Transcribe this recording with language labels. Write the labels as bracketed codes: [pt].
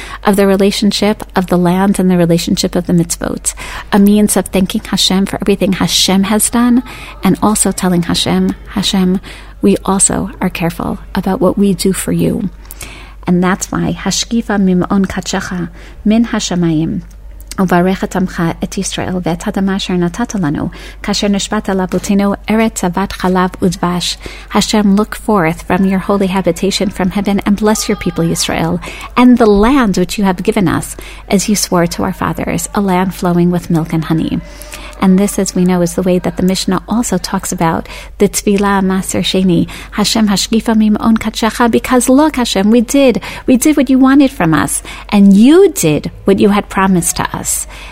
[en] of the relationship of the land and the relationship of the mitzvot, a means of thanking Hashem for everything Hashem has done, and also telling Hashem, we also are careful about what we do for you. And that's why, [he] Hashkifa mim'on kachacha min hashamayim, וברכת עמך את ישראל ואת האדמה אשר נתת לנו, כאשר נשבעת לאבותינו ארץ זבת חלב ודבש. [en] Hashem, look forth from your holy habitation from heaven and bless your people Israel and the land which you have given us, as you swore to our fathers, a land flowing with milk and honey. And this, as we know, is the way that the Mishnah also talks about the Tefillah Maser Sheni, [he] Hashem Hashkifa Mim'on Katshecha, [en] because look, Hashem, we did what you wanted from us, and you did what you had promised to us.